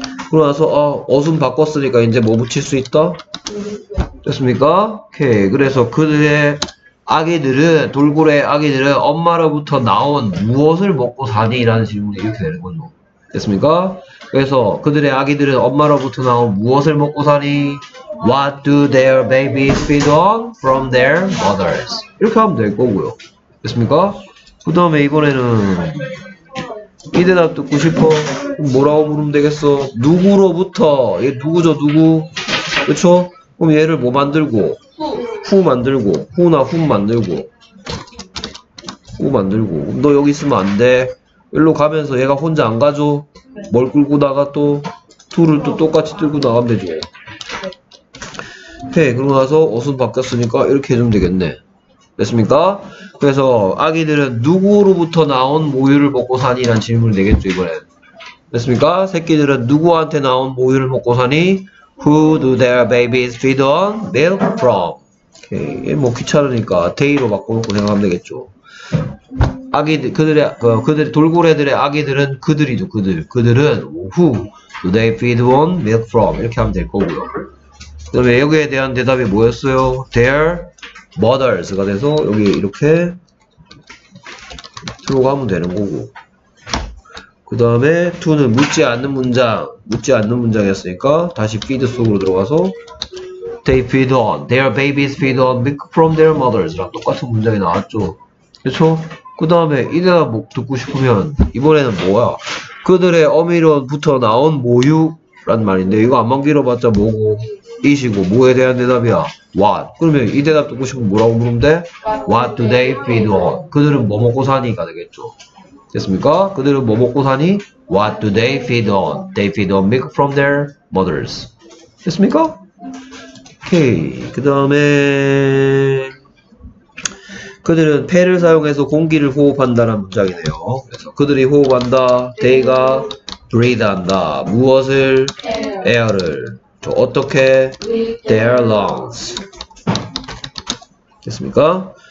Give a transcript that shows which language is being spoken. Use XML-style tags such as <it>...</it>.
<ko>그러고 나서 어순 바꿨으니까 이제 뭐 붙일 수 있다? 됐습니까? 오케이. 그래서 그들의 아기들은, 돌고래의 아기들은 엄마로부터 나온 무엇을 먹고 사니? 라는 질문이 이렇게 되는 거죠. 됐습니까? 그래서 그들의 아기들은 엄마로부터 나온 무엇을 먹고 사니?</ko> <en>What do their babies feed on from their mothers?</en> <ko>이렇게 하면 될 거고요. 됐습니까? 그 다음에 이번에는 이 대답 듣고 싶어. 뭐라고 부르면 되겠어? 누구로부터? 얘 누구죠? 누구? 그쵸? 그럼 얘를 뭐 만들고? 후 만들고. 후나 훔 만들고. 후 만들고. 너 여기 있으면 안 돼. 일로 가면서 얘가 혼자 안 가죠? 뭘 끌고 나가 또? 둘을 또 똑같이 끌고 나가면 되죠. 오케이. 그러고 나서 어순 바뀌었으니까 이렇게 해주면 되겠네. 됐습니까? 그래서 아기들은 누구로부터 나온 모유를 먹고 사니? 라는 질문을 내겠죠, 이번엔. 됐습니까? 새끼들은 누구한테 나온 모유를 먹고 사니?</ko> <en>Who do their babies feed on milk from?</en> <ko>오케이. 뭐 귀찮으니까 데이로 바꿔놓고 생각하면 되겠죠. 아기들, 그들의 돌고래들의 아기들은 그들이죠, 그들. 그들은</ko> <en>Who do they feed on milk from?</en> <ko>이렇게 하면 될 거고요. 그 다음에 여기에 대한 대답이 뭐였어요?</ko> <en>Their mothers</en> <ko>가 돼서 여기 이렇게 들어가면 되는 거고. 그 다음에 to는 묻지 않는 문장이었으니까 다시 feed 속으로 들어가서</ko> <en>they feed on, their babies feed on milk from their mothers</en> <ko>랑 똑같은 문장이 나왔죠. 그쵸? 그 다음에 이 대답 듣고 싶으면 이번에는 뭐야? 그들의 어미로부터 나온 모유란 말인데 이거 안만 길어봤자 뭐고? 이시고 뭐에 대한 대답이야?</ko> <en>What?</en> <ko>그러면 이 대답 듣고 싶으면 뭐라고 물으면 돼?</ko> <en>What do they feed on?</en> <ko>그들은 뭐 먹고 사니가 되겠죠. 됐습니까? 그들은 뭐 먹고 사니?</ko> <en>What do they feed on? They feed on milk from their mothers.</en> <ko>됐습니까? 오케이. 그 다음에 그들은 폐를 사용해서 공기를 호흡한다는 문장이네요. 그래서 그들이 호흡한다. They가 breathe 한다. 무엇을? Air를. 어떻게?</ko> <en>Their lungs.</en> <ko>됐습니까?</ko>